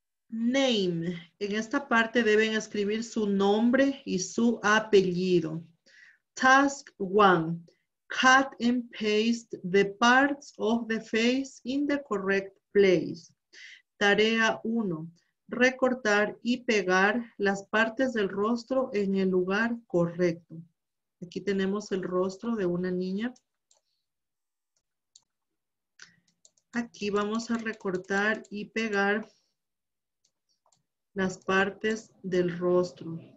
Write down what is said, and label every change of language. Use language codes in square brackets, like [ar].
[es] Name, en esta parte deben escribir su nombre y su apellido. [en] Task one, cut and paste the parts of the face in the correct place. [es] Tarea uno, recortar y pegar las partes del rostro en el lugar correcto. Aquí tenemos el rostro de una niña. Aquí vamos a recortar y pegar las partes del rostro.